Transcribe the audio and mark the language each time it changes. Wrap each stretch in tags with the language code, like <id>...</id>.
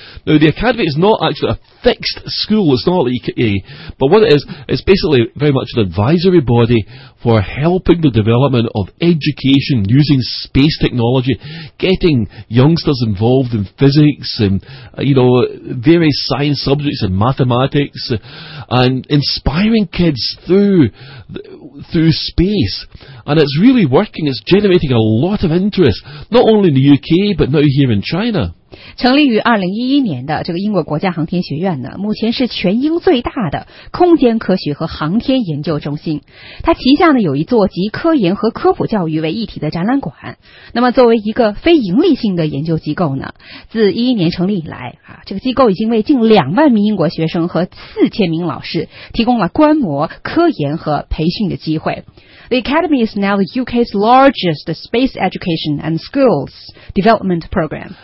<en>Now, the academy is not actually a fixed school, it's not like EKA, but what it is, it's basically very much an advisory body for helping the development of education using space technology, getting youngsters involved in physics and, you know, various science subjects and mathematics, and inspiring kids through space. And it's really working, it's generating a lot of interest, not only in the UK, but now here in China.</en> <zh>成立于2011年的这个英国国家航天学院呢，目前是全英最大的空间科学和航天研究中心。它旗下呢有一座集科研和科普教育为一体的展览馆。那么作为一个非盈利性的研究机构呢，自11年成立以来啊，这个机构已经为近20,000名英国学生和4,000名老师提供了观摩、科研和培训的机会。</zh> <en>The Academy is now the UK's largest space education and skills development program.</en>